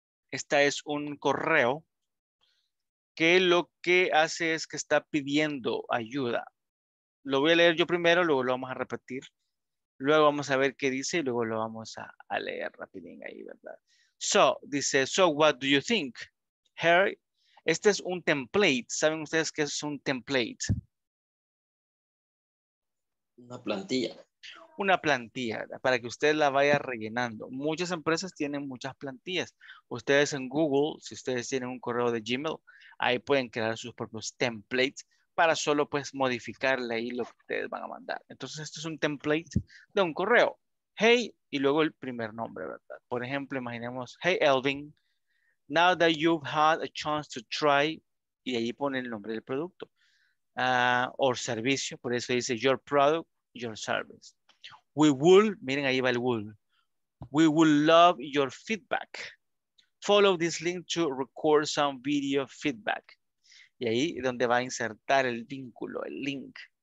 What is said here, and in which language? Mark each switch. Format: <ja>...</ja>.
<es>Esta es un correo que lo que hace es que está pidiendo ayuda. Lo voy a leer yo primero, luego lo vamos a repetir. Luego vamos a ver qué dice y luego lo vamos a leer rapidín ahí, ¿verdad?</es> <en>So,</en> <es>dice,</es> <en>so what do you think, Harry?</en> <es>Este es un template. ¿Saben ustedes qué es un template? Una plantilla. Una plantilla, para que usted la vaya rellenando. Muchas empresas tienen muchas plantillas. Ustedes en Google, si ustedes tienen un correo de Gmail, ahí pueden crear sus propios templates para solo, pues, modificarle ahí lo que ustedes van a mandar. Entonces, esto es un template de un correo. Hey, y luego el primer nombre, ¿verdad? Por ejemplo, imaginemos, hey, Elvin,</es> <en>now that you've had a chance to try,</en> <es>y ahí pone el nombre del producto, o servicio, por eso dice,</es> <en>your product, your service. We would,</en> <es>miren, ahí va el</es> <en>would. We would love your feedback. Follow this link to record some video feedback.</en> <es>Y ahí es donde va a insertar el vínculo, el link.</es>